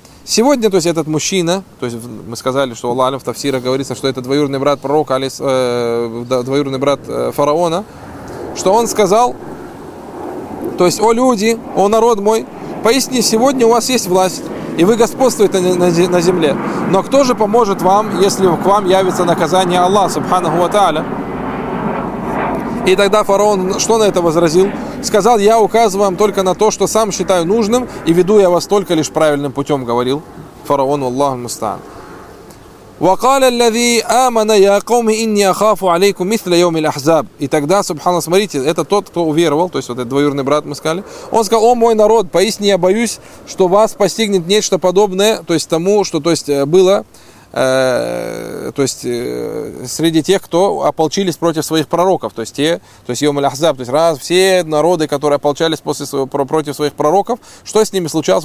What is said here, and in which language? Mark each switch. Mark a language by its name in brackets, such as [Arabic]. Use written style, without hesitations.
[Russian] Сегодня, то есть этот мужчина, то есть мы сказали, что Аллах в тафсирах говорится, что это двоюродный брат пророка, двоюродный брат фараона, что он сказал, то есть: о люди, о народ мой, поистине сегодня у вас есть власть, и вы господствуете на земле, но кто же поможет вам, если к вам явится наказание Аллаха, Субханаху ва Тааля? И тогда фараон что на это возразил? Сказал: я указываю вам только на то, что сам считаю нужным, и веду я вас только лишь правильным путем, говорил фараон, Аллаху мустаан. [Arabic] وقال الذي آمن يا قوم إني أخاف عليكم مثل يوم الأحزاب. [Russian] И тогда, субханаллах, смотрите, это тот, кто уверовал, то есть вот этот двоюродный брат, мы сказали, он сказал: о мой народ, поистине я боюсь, что вас постигнет нечто подобное, то есть тому, что то есть было то есть среди тех, кто ополчились против своих пророков, то есть те, то есть Йомаль Ахзаб, то есть раз все народы, которые ополчались после своего, против своих пророков, что с ними случалось?